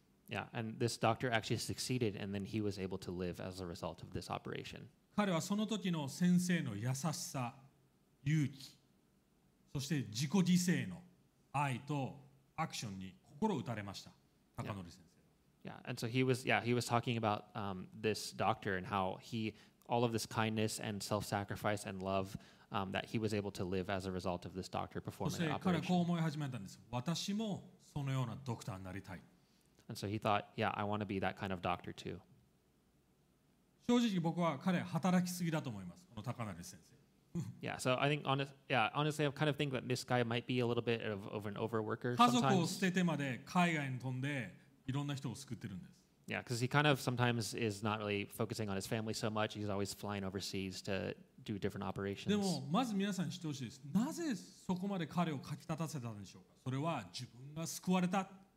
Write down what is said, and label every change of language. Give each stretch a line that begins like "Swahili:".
English: Yeah, and this doctor actually succeeded, and then he was able to live as a result of this operation.
Japanese: 彼はその時の先生の優しさ、勇気、そして自己犠牲の愛とアクションに心を打たれました。高典先生。
English: Yeah, and so he was talking about this doctor and how he all of this kindness and self-sacrifice and love that he was able to live as a result of this doctor performing the operation.
Japanese: そして彼はこう思い始めたんです。私もそのようなドクターになりたい。
English: And so he thought, yeah, I want to be that kind of doctor too.
Japanese: 正直僕は彼は働きすぎだと思います。この高成先生。
English: Yeah, so I think honestly, I kind of think that this guy might be a little bit of an overworker.
Japanese: 家族を捨ててまで海外に飛んでいろんな人を救ってるんです。
English: Yeah, because he kind of sometimes is not really focusing on his family so much. He's always flying overseas to do different operations.
Japanese: でもまず皆さん知ってほしいです。なぜそこまで彼をかき立たせたんでしょうか。それは自分が救われた。